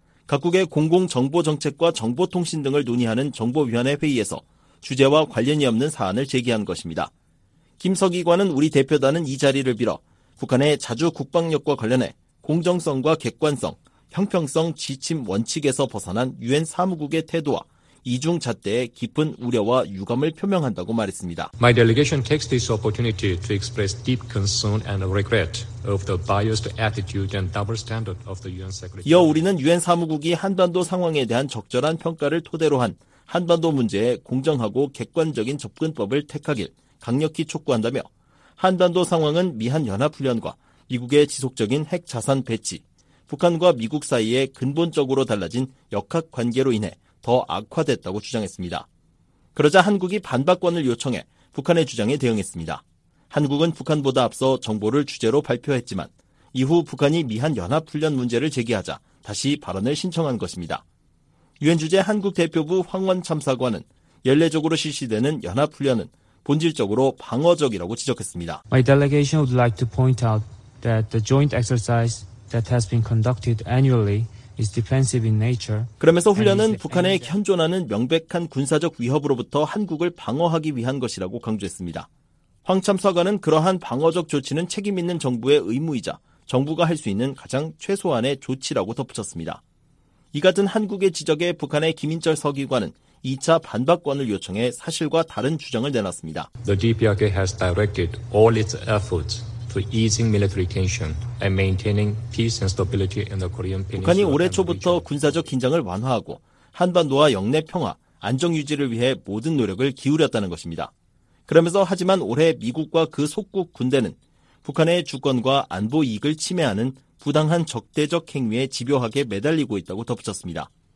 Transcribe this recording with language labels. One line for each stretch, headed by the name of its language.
Korean: 각국의 공공정보정책과 정보통신 등을 논의하는 정보위원회 회의에서 주제와 관련이 없는 사안을 제기한 것입니다. 김 서기관은 우리 대표단은 이 자리를 빌어 북한의 자주 국방력과 관련해 공정성과 객관성, 형평성 지침 원칙에서 벗어난 유엔 사무국의 태도와 이중 잣대에 깊은 우려와 유감을 표명한다고 말했습니다.
English: My delegation takes this opportunity to express deep concern and regret of the biased attitude and double standard of the UN Secretary.
Korean: 이어 우리는 유엔 사무국이 한반도 상황에 대한 적절한 평가를 토대로 한 한반도 문제에 공정하고 객관적인 접근법을 택하길 강력히 촉구한다며 한반도 상황은 미한연합훈련과 미국의 지속적인 핵자산 배치, 북한과 미국 사이에 근본적으로 달라진 역학관계로 인해 더 악화됐다고 주장했습니다. 그러자 한국이 반박권을 요청해 북한의 주장에 대응했습니다. 한국은 북한보다 앞서 정보를 주제로 발표했지만 이후 북한이 미한연합훈련 문제를 제기하자 다시 발언을 신청한 것입니다. 유엔 주재 한국 대표부 황원 참사관은 연례적으로 실시되는 연합훈련은 본질적으로 방어적이라고 지적했습니다.
English: My delegation would like to point out that the joint exercise that has been conducted annually is defensive in nature.
Korean: 그러면서 훈련은 북한의 현존하는 명백한 군사적 위협으로부터 한국을 방어하기 위한 것이라고 강조했습니다. 황 참사관은 그러한 방어적 조치는 책임 있는 정부의 의무이자 정부가 할 수 있는 가장 최소한의 조치라고 덧붙였습니다. 이 같은 한국의 지적에 북한의 김인철 서기관은 2차 반박권을 요청해 사실과 다른 주장을 내놨습니다.
English: The DPRK has directed all its efforts to easing military tension and maintaining peace and stability in the Korean Peninsula.
Korean: 북한이 올해 초부터 군사적 긴장을 완화하고 한반도와 영내 평화, 안정 유지를 위해 모든 노력을 기울였다는 것입니다. 그러면서 하지만 올해 미국과 그 속국 군대는 북한의 주권과 안보 이익을 침해하는 부당한 적대적 행위에 집요하게 매달리고 있다고 덧붙였습니다.